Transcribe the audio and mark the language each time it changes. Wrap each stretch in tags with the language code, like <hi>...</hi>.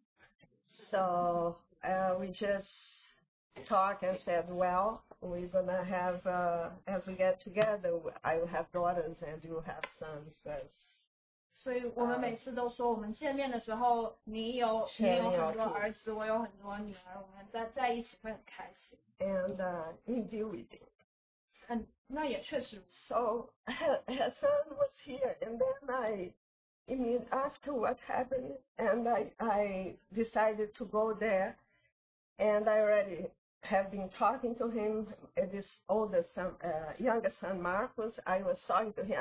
<en>So we just talk and said, well, we're gonna have as we get together, I will have daughters and you have sons. But,</en> <zh>所以我们每次都说，我们见面的时候，你有很多儿子，我有很多女儿，我们在一起会很开心。</zh> <en>And indeed we did.</en> <zh>那也确实。</zh> <en>So her son was here, and then I mean, after what happened, and I decided to go there, and I already have been talking to him, this older son, younger son, Marcus. I was talking to him.</en>